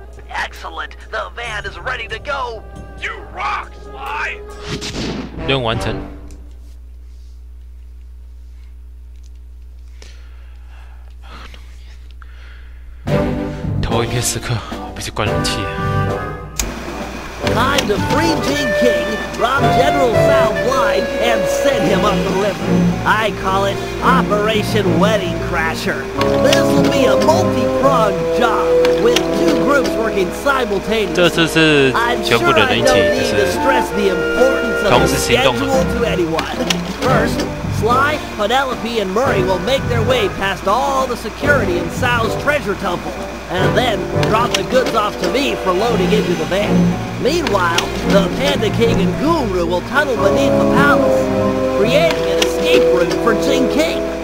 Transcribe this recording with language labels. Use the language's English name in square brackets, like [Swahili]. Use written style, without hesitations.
[English] Excellent! The van is ready to go! You rock, Sly! [Chinese] 任务完成。一片时刻，我必须关冷气。 [English] Time to free Gene King, rob General Sal blind, and send him up the river. I call it Operation Wedding Crasher. This will be a multi-pronged job with two groups working simultaneously. [Chinese] 这次是全部的人一起，就是。 [English] I'm sure I don't need to stress the importance [Chinese] 同时行动了。 [English] First, Sly, Penelope, and Murray will make their way past all the security in Sal's treasure temple, and then drop the goods off to me for loading into the van. Meanwhile, the Panda King and Guru will tunnel beneath the palace, creating an escape route for Jing King.